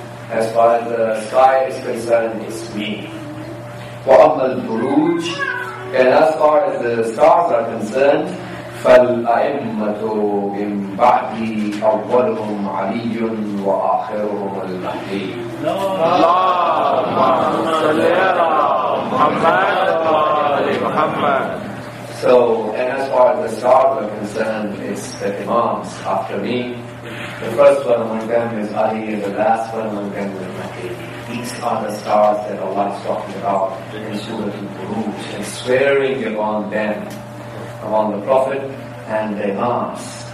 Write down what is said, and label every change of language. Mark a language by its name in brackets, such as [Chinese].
[English] As far as the sky is concerned, it's me. [Arabic] وَأَمَّا الْبُرُوجِ. [English] And as far as the stars are concerned, [Arabic] فَالْأَئِمَّةُ مِنْ بَعْدِي أَوَّلُهُمْ عَلِيٌّ وَآخِرُهُمْ الْمَهْدِيُّ. اللهم صل على محمد وآل محمد. [English] So, and as far as the stars are concerned, it's the Imams after me. The first one among them is Ali, and the last one among them is Mahdi. These are the stars that Allah is talking about in Surah Al-Buruj, and swearing upon them, upon the Prophet and the Imams.